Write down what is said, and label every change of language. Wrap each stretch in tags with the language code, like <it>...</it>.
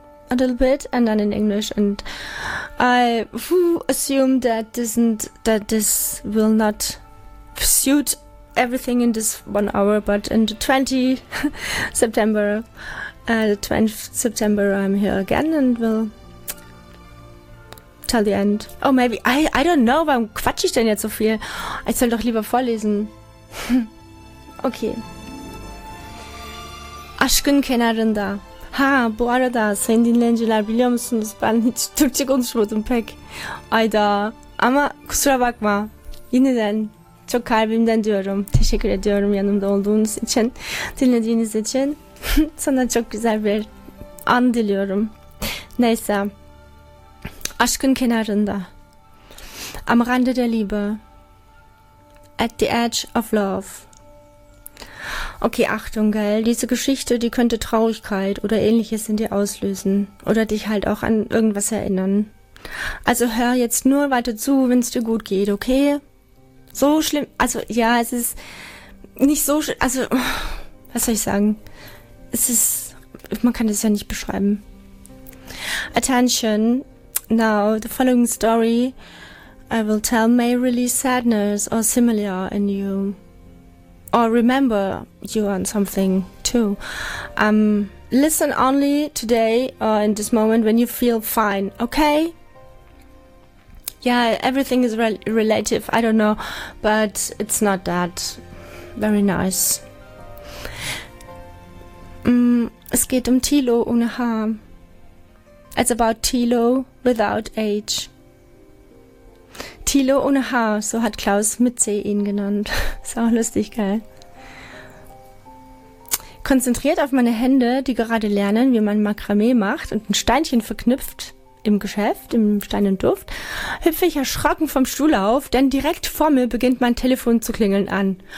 <en>A little bit, and then in English, and I assume that this will not suit everything in this 1 hour, but in the 20th September, I'm here again and will tell the end. Oh, maybe, I don't know,</en> <de>warum quatsche ich denn jetzt so viel? Ich soll doch lieber vorlesen. Okay.</de> <tr>Aşkın kenarında. Ha, bu arada seni dinleyiciler biliyor musunuz? Ben hiç Türkçe konuşmadım pek. Ayda. Ama kusura bakma. Yeniden çok kalbimden diyorum. Teşekkür ediyorum yanımda olduğunuz için. Dinlediğiniz için. Sana çok güzel bir an diliyorum. Neyse. Aşkın kenarında.</tr> <de>Am Rande der Liebe.</de> <en>At the edge of love.</en> <de>Okay, Achtung, gell, diese Geschichte, die könnte Traurigkeit oder Ähnliches in dir auslösen oder dich halt auch an irgendwas erinnern. Also hör jetzt nur weiter zu, wenn es dir gut geht, okay? So schlimm, also ja, es ist nicht so schlimm, also, was soll ich sagen? Es ist, man kann das ja nicht beschreiben.</de> <en>Attention, now the following story I will tell may release sadness or similar in you. Or remember you on something too. Listen only today or in this moment when you feel fine, okay? Yeah, everything is relative, I don't know, but it's not that very nice.</en> <de>Es geht Thilo ohne Haar.</de> <en>It's about Thilo without age.</en> <de>Thilo ohne Haar, so hat Klaus Mitze ihn genannt. Ist auch lustig, geil. Konzentriert auf meine Hände, die gerade lernen, wie man Makramee macht und ein Steinchen verknüpft, im Geschäft, im Stein und Duft, hüpfe ich erschrocken vom Stuhl auf, denn direkt vor mir beginnt mein Telefon zu klingeln an.</de>